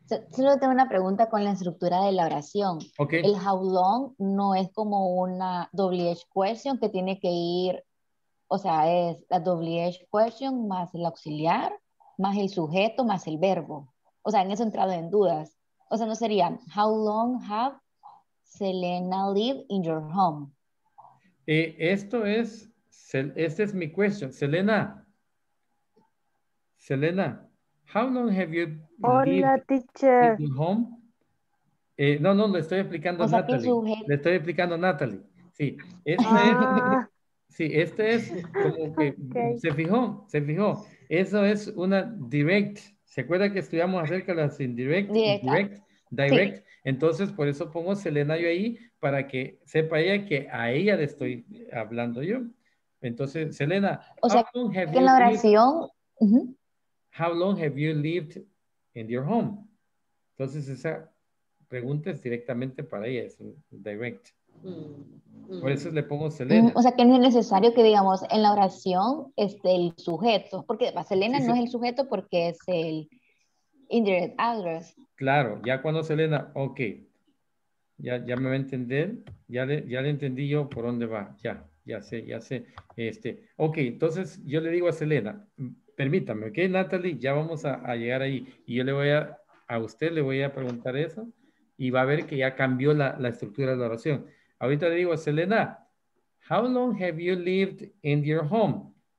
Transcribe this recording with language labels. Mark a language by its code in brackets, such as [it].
[es] Solo tengo una pregunta con la estructura de la oración. Okay. El how long no es como una WH question que tiene que ir, o sea, es la WH question más el auxiliar, más el sujeto, más el verbo. O sea, en eso he entrado en dudas. O sea, no sería [en] how long have Selena lived in your home? [es] Esto es, este es mi question. [en] Selena. How long have you lived in home? [es] Le estoy explicando a Natalie. Le estoy explicando a Natalie. Sí, este es como que, okay. ¿Se fijó? Eso es una direct. ¿Se acuerda que estudiamos acerca de las indirect? [en] Direct. [es] Sí. Entonces, por eso pongo Selena yo ahí, para que sepa ella que a ella le estoy hablando yo. Entonces, Selena, [en] how long have you lived in your home? [es] Entonces esa pregunta es directamente para ella, es un direct. Por eso le pongo Selena. O sea que no es necesario que digamos en la oración esté el sujeto, porque Selena no es el sujeto porque es el indirect address. Claro, ya cuando Selena, ok, ya me va a entender, ya le entendí yo por dónde va, ya sé. Ok, entonces yo le digo a Selena, permítame, ¿ok, Natalie? Ya vamos a llegar ahí. Y yo le voy a preguntar eso. Y va a ver que ya cambió la estructura de la oración. Ahorita le digo, Selena, [en] how long have you lived in your home?